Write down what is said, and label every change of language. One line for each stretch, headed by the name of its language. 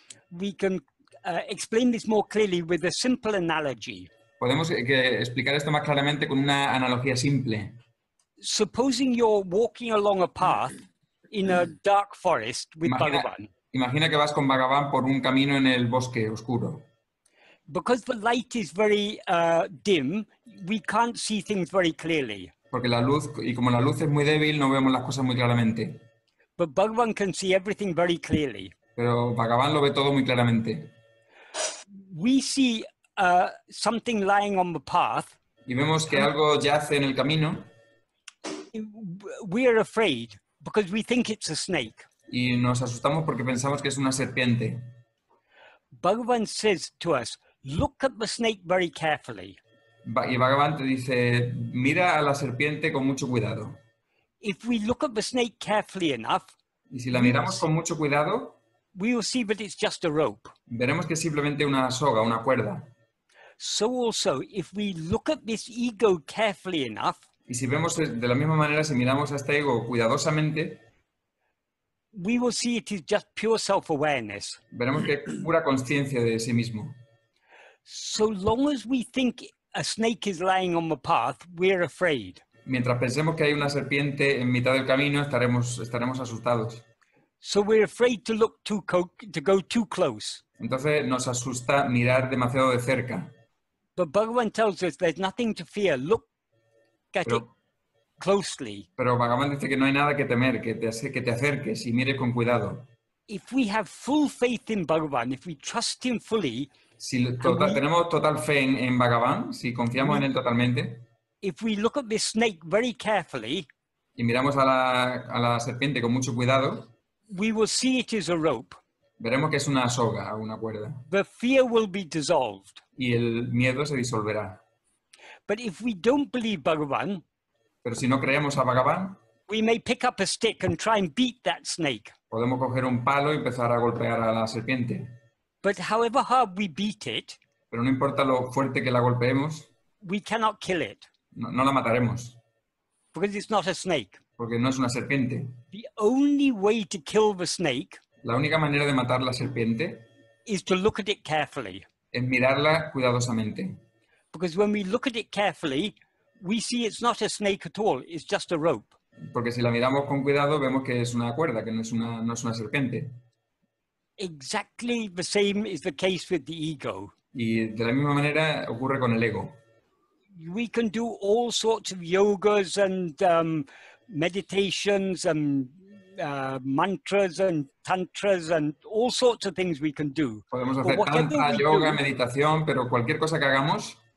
English: We can explain this more clearly with a simple analogy.
Spanish: Podemos explicar esto más claramente con una analogía simple.
English: Supposing you're walking along a path in a dark forest with Bhagavan.
Spanish: Imagina que vas con Bhagavan por un camino en el bosque oscuro.
English: Because the light is very dim, we can't see things very clearly.
Spanish: Porque la luz, y como la luz es muy débil, no vemos las cosas muy claramente.
English: But Bhagavan can see everything very clearly.
Spanish: Pero Bhagavan lo ve todo muy claramente.
English: We see something lying on the path.
Spanish: Y vemos que algo yace en el camino.
English: We are afraid because we think it's a snake.
Spanish: Y nos asustamos porque pensamos que es una serpiente.
English: Bhagavan says to us, look at the snake very carefully.
Spanish: Y Bhagavan te dice, mira a la serpiente con mucho cuidado.
English: If we look at the snake carefully enough,
Spanish: y si la miramos con mucho cuidado,
English: we will see that it's just a rope.
Spanish: Veremos que es simplemente una soga, una cuerda.
English: So also, if we look at this ego carefully enough,
Spanish: y si vemos de la misma manera, si miramos a este ego cuidadosamente,
English: we will see it is just pure self-awareness.
Spanish: Veremos que es pura consciencia de sí mismo.
English: So long as we think a snake is lying on the path, we're afraid.
Spanish: Mientras pensemos que hay una serpiente en mitad del camino, estaremos asustados.
English: So we're afraid to look to go too close.
Spanish: Entonces nos asusta mirar demasiado de cerca.
English: But Bhagavan tells us there's nothing to fear. Look at it closely.
Spanish: Pero Bhagavan dice que no hay nada que temer, que te acerques y mires con cuidado.
English: If we have full faith in Bhagavan, if we trust him fully,
Spanish: si tenemos total fe en Bhagavan, si confiamos en él totalmente.
English: If we look at this snake very carefully,
Spanish: y miramos a la serpiente con mucho cuidado,
English: we will see it is a rope.
Spanish: Veremos que es una soga, una cuerda.
English: The fear will be dissolved.
Spanish: Y el miedo se disolverá.
English: But if we don't believe Bhagavan,
Spanish: pero si no creemos a Bhagavan,
English: we may pick up a stick and try and beat that snake.
Spanish: Podemos coger un palo y empezar a golpear a la serpiente.
English: But however hard we beat it,
Spanish: pero no importa lo fuerte que la golpeemos,
English: we cannot kill it.
Spanish: No la mataremos.
English: Because it's not a snake.
Spanish: Porque no es una serpiente.
English: The only way to kill the snake,
Spanish: la única manera de matar la serpiente,
English: is to look at it carefully.
Spanish: Es mirarla cuidadosamente.
English: Because when we look at it carefully, we see it's not a snake at all, it's just a rope.
Spanish: Porque si la miramos con cuidado, vemos que es una cuerda, que no es una serpiente.
English: Exactly the same is the case with the ego.
Spanish: Y de la misma manera ocurre con el ego.
English: We can do all sorts of yogas and meditations and mantras and tantras and all sorts of things we can do.
Spanish: Podemos hacer tantra, yoga, meditación, pero cualquier cosa que hagamos,